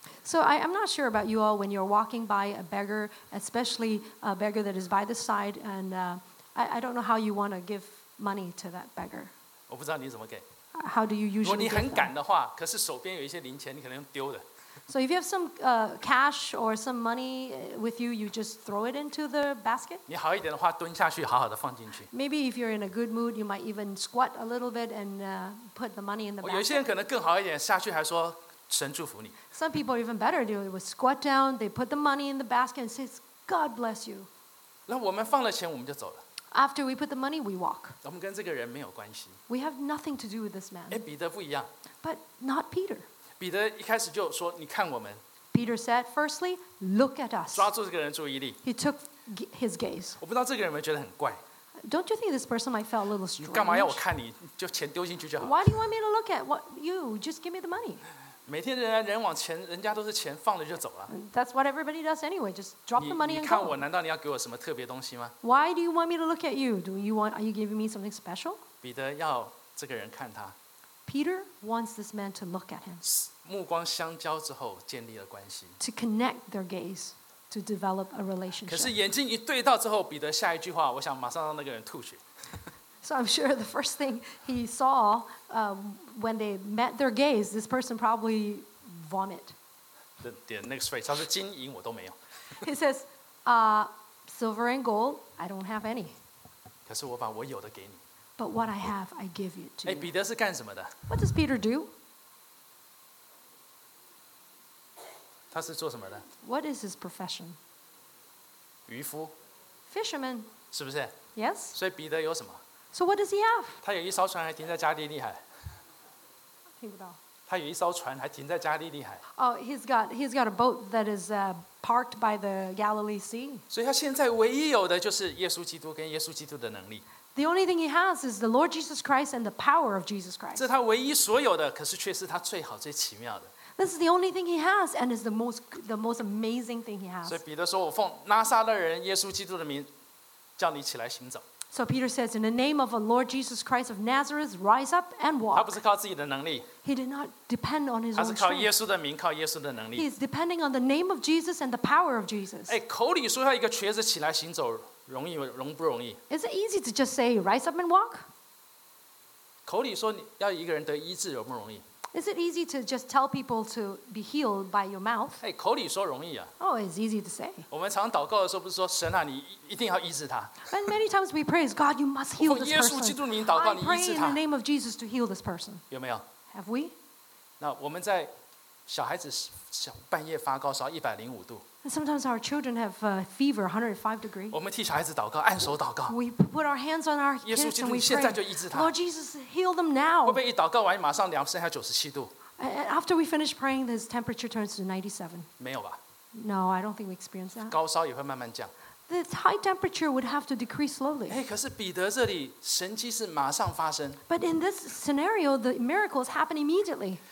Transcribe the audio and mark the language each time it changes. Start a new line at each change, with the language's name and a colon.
English: So I'm not sure about you all when you're walking by a beggar, especially a beggar that is by the side, and I don't know how you want to give money to that beggar.
Chinese: 我不知道你怎么给。
English: How do you usually?
Chinese: 如果你很赶的话，可是手边有一些零钱，你可能丢的。
English: So if you have some cash or some money with you, you just throw it into the basket.
Chinese: 你好一点的话，蹲下去，好好的放进去。
English: Maybe if you're in a good mood, you might even squat a little bit and put the money in the basket.
Chinese: 有些人可能更好一点，下去还说。神祝福你。
English: Some people are even better. They would squat down, they put the money in the basket and say, God bless you.
Chinese: 那我们放了钱，我们就走了。
English: After we put the money, we walk.
Chinese: 我们跟这个人没有关系。
English: We have nothing to do with this man.
Chinese: 哎，彼得不一样。
English: But not Peter.
Chinese: 彼得一开始就说，你看我们。
English: Peter said, firstly, look at us.
Chinese: 抓住这个人注意力。
English: He took his gaze.
Chinese: 我不知道这个人有没有觉得很怪。
English: Don't you think this person might feel a little strange?
Chinese: 你干嘛要我看你？就钱丢进去就好。
English: Why do you want me to look at what you? Just give me the money.
Chinese: 每天人往前，人家都是钱放了就走了。
English: That's what everybody does anyway. Just drop the money and go.
Chinese: 你看我，难道你要给我什么特别东西吗
English: ？Why do you want me to look at you? Do you want? Are you giving me something special?
Chinese: 彼得要这个人看他。
English: Peter wants this man to look at him.
Chinese: 目光相交之后，建立了关系。
English: To connect their gaze, to develop a relationship.
Chinese: 可是眼睛一对到之后，彼得下一句话，我想马上让那个人吐血。
English: So I'm sure the first thing he saw when they met their gaze, this person probably vomit. The next phrase,
Chinese: 他说金银我都没有。
English: He says, silver and gold, I don't have any.
Chinese: 可是我把我有的给你。
English: But what I have, I give you to you.
Chinese: 哎，彼得是干什么的？
English: What does Peter do?
Chinese: 他是做什么的？
English: What is his profession?
Chinese: 渔夫。
English: Fisherman.
Chinese: 是不是？
English: Yes.
Chinese: 所以彼得有什么？
English: So what does he have?
Chinese: 他有一艘船还停在加利利海。听不到。他有一艘船还停在加利利海。
English: Oh, he's got a boat that is parked by the Galilee Sea.
Chinese: 所以他现在唯一有的就是耶稣基督跟耶稣基督的能力。
English: The only thing he has is the Lord Jesus Christ and the power of Jesus Christ.
Chinese: 这是他唯一所有的，可是却是他最好最奇妙的。
English: This is the only thing he has, and is the most amazing thing he has.
Chinese: 所以彼得说：“我奉拿撒勒人耶稣基督的名，叫你起来行走。”
English: So Peter says, "In the name of the Lord Jesus Christ of Nazareth, rise up and walk."
Chinese: 他不是靠自己的能力。
English: He did not depend on his own strength.
Chinese: 他是靠耶稣的名，靠耶稣的能力。
English: He is depending on the name of Jesus and the power of Jesus.
Chinese: 哎，口里说要一个瘸子起来行走，容易容不容易
English: ？Is it easy to just say rise up and walk?
Chinese: 口里说要一个人得医治容不容易
English: ？Is it easy to just tell people to be healed by your mouth?
Chinese: 哎，口里说容易啊。
English: Oh, it's easy to say.
Chinese: 我们常祷告的时候不是说神啊，你一定要医治他。
English: And many times we praise God, you must heal this person.
Chinese: 耶稣基督的名祷告，你医治他。
English: I pray in the name of Jesus to heal this person.
Chinese: 有没有
English: ？Have we?
Chinese: 那我们在小孩子半夜发高烧105度。
English: And sometimes our children have a fever, 105 degrees.
Chinese: 我们替小孩子祷告，按手祷告。
English: We put our hands on our kids and we pray.
Chinese: 耶稣基督，你现在就医治他。
English: Lord Jesus, heal them now.
Chinese: 会不会一祷告完，马上量剩下97度
English: ？And after we finish praying, his temperature turns to 97.
Chinese: 没有吧
English: ？No, I don't think we experience that.
Chinese: 高烧也会慢慢降。
English: The high temperature would have to decrease slowly.
Chinese: 可是彼得这里神迹是马上发生。
English: But in this scenario, the miracles happen immediately.